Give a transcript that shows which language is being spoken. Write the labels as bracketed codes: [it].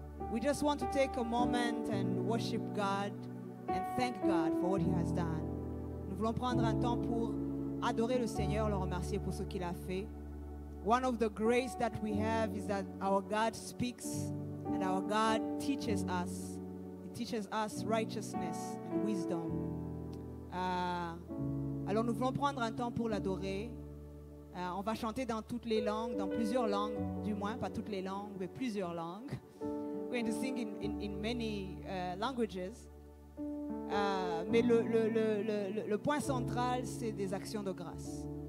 [en] We just want to take a moment and worship God and thank God for what He has done. [fr] Nous voulons prendre un temps pour adorer le Seigneur, le remercier pour ce qu'il a fait. [en] One of the graces that we have is that our God speaks and our God teaches us. He teaches us righteousness and wisdom. [fr] Alors nous voulons prendre un temps pour l'adorer. On va chanter dans toutes les langues, dans plusieurs langues, du moins, pas toutes les langues, mais plusieurs langues. [en] We're going to sing in many languages. [fr] Mais le point central, c'est des actions de grâce.